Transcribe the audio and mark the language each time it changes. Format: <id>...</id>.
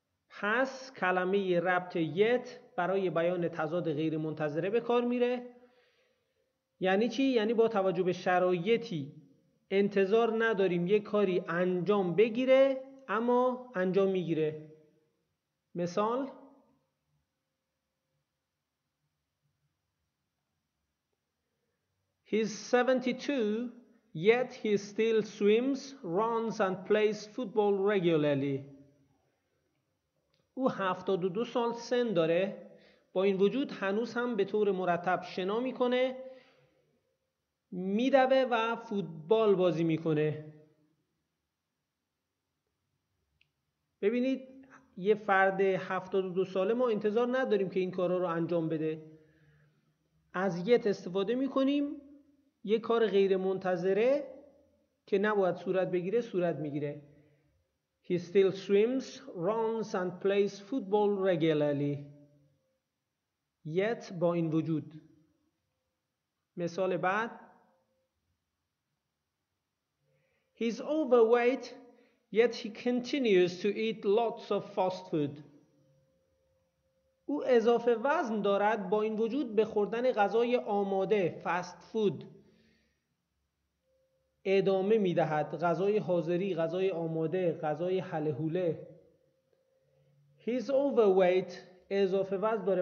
<fa>پس کلمه ربط یت برای بیان تضاد غیر منتظره به کار می ره. یعنی چی؟ یعنی با توجه به شرایطی انتظار نداریم یک کاری انجام بگیره، اما انجام میگیره. مثال:</fa> <en>He's 72, yet he still swims, runs and plays football regularly.</en> <fa>او 72 سال سن داره، با این وجود هنوز هم به طور مرتب شنا میکنه، میدوه و فوتبال بازی میکنه. ببینید، یه فرد 72 ساله ما انتظار نداریم که این کارا رو انجام بده. از یت استفاده میکنیم، یه کار غیر منتظره که نباید صورت بگیره صورت میگیره.</fa> <en>He still swims, runs and plays football regularly.</en> <fa>یت، با این وجود. مثال بعد:</fa> <en>He's overweight, yet he continues to eat lots of fast food.</en> <fa>او اضافه وزن دارد، با این وجود به خوردن غذای آماده، فست فود، ادامه می دهد. غذای حاضری، غذای آماده، غذای حله حوله.</fa> <en>He's overweight.</en> <fa>اضافه وزن داره.</fa>